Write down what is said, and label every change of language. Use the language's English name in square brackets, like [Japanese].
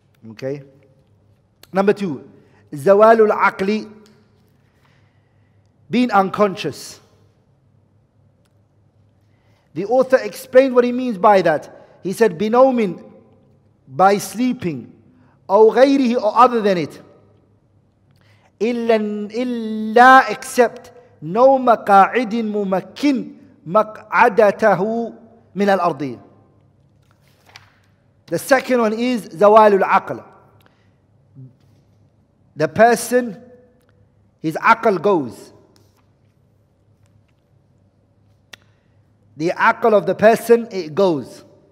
[English] Okay. Number two, زوال العقل, being unconscious. The author explained what he means by that. He said, بنوم, by sleeping, [Arabic] أو غيره, [English] or other than it. [Arabic] إلا [English] except [Arabic] نوم قاعد ممكن مقعدته من الأرض. [English] The second one is زوال العقل. The person, his aql goes. The aql of the person, it goes.